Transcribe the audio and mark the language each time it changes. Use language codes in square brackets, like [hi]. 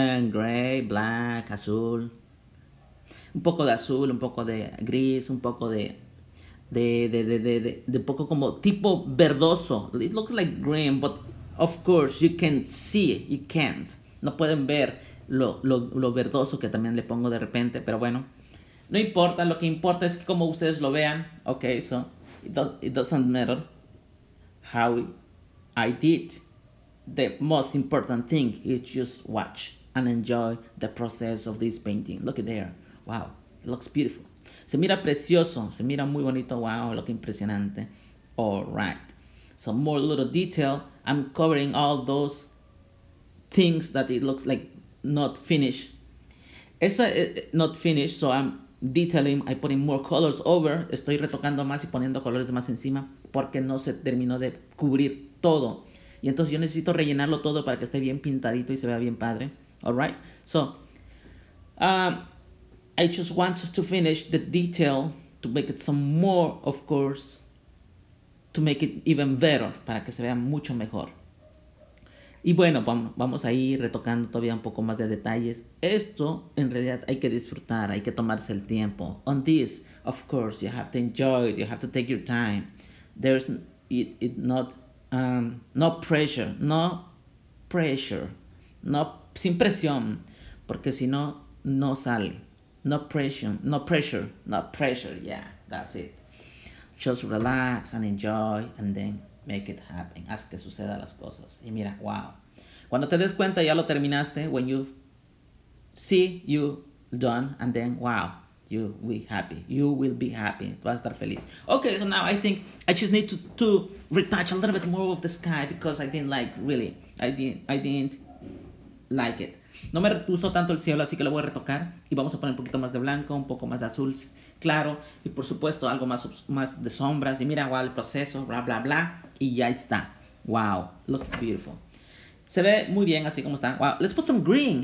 [en] Gray, black, [es] azul. Un poco de azul, un poco de gris, un poco de un poco como tipo verdoso. [en] It looks like green, but of course you can see it. You can't. [es] No pueden ver lo verdoso que también le pongo de repente, pero bueno. No importa, lo que importa es cómo ustedes lo vean. [en] Okay, so it doesn't matter how I did. The most important thing is just watch and enjoy the process of this painting. Look at there. Wow, it looks beautiful. [es] Se mira precioso, se mira muy bonito. [en] Wow, look impresionante. All right. So more little detail. I'm covering all those things that it looks like not finished. It's not finished, so I'm detailing. I'm putting more colors over. [es] Estoy retocando más y poniendo colores más encima porque no se terminó de cubrir todo. Y entonces yo necesito rellenarlo todo para que esté bien pintadito y se vea bien padre. [en] All right? So, I just want to finish the detail to make it some more, of course, to make it even better, [es] para que se vea mucho mejor. Y bueno, vamos a ir retocando todavía un poco más de detalles. Esto, en realidad, hay que disfrutar, hay que tomarse el tiempo. [en] On this, of course, you have to enjoy it, you have to take your time. There's no pressure, [es] sin presión, porque si no, no sale. [en] No pressure, yeah, that's it. Just relax and enjoy, and then make it happen. [es] Haz que suceda las cosas. Y mira, wow. Cuando te des cuenta, ya lo terminaste. [en] When you see you done, and then, wow, you will be happy. You will be happy. [es] Tú vas a estar feliz. [en] Okay, so now I think I just need to retouch a little bit more of the sky because I didn't like it. [es] No me gustó tanto el cielo, así que lo voy a retocar. Y vamos a poner un poquito más de blanco, un poco más de azul claro. Y por supuesto, algo más de sombras. Y mira, wow, el proceso, bla, bla, bla. Y ya está. [en] Wow, look beautiful. [es] Se ve muy bien así como está. [en] Wow, let's put some green.